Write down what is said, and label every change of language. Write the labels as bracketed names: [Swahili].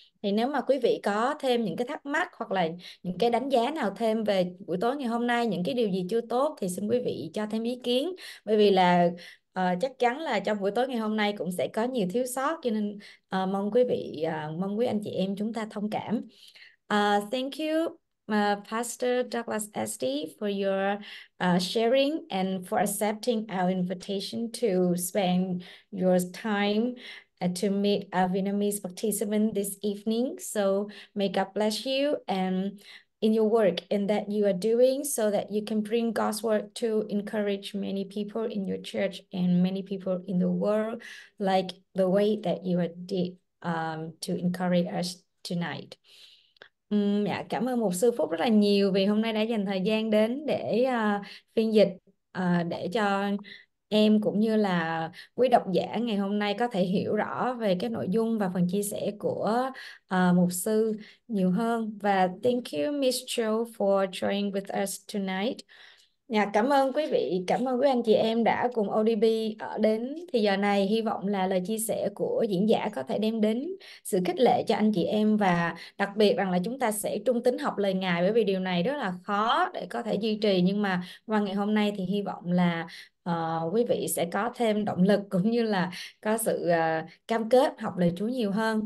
[Vietnamese] Thì nếu mà quý vị có thêm những cái thắc mắc hoặc là những cái đánh giá nào thêm về buổi tối ngày hôm nay, những cái điều gì chưa tốt thì xin quý vị cho thêm ý kiến. Bởi vì là chắc chắn là trong buổi tối ngày hôm nay cũng sẽ có nhiều thiếu sót, cho nên mong quý vị, mong quý anh chị em chúng ta thông cảm. [English] Thank you, Pastor Douglas SD, for your sharing and for accepting our invitation to spend your time to meet a Vietnamese participant this evening. So may God bless you and in your work and that you are doing, so that you can bring God's word to encourage many people in your church and many people in the world, like the way that you did to encourage us tonight. [Vietnamese] Dạ, cảm ơn Mục sư Phúc rất là nhiều vì hôm nay đã dành thời gian đến để phiên dịch để cho em cũng như là quý độc giả ngày hôm nay có thể hiểu rõ về cái nội dung và phần chia sẻ của mục sư nhiều hơn. [English] Và thank you Miss Cho for joining with us tonight. [Vietnamese] Dạ, cảm ơn quý vị, cảm ơn quý anh chị em đã cùng ODB ở đến thì giờ này. Hy vọng là lời chia sẻ của diễn giả có thể đem đến sự khích lệ cho anh chị em, và đặc biệt rằng là chúng ta sẽ trung tín học lời Ngài, bởi vì điều này rất là khó để có thể duy trì. Nhưng mà qua ngày hôm nay thì hy vọng là quý vị sẽ có thêm động lực cũng như là có sự cam kết học lời Chúa nhiều hơn.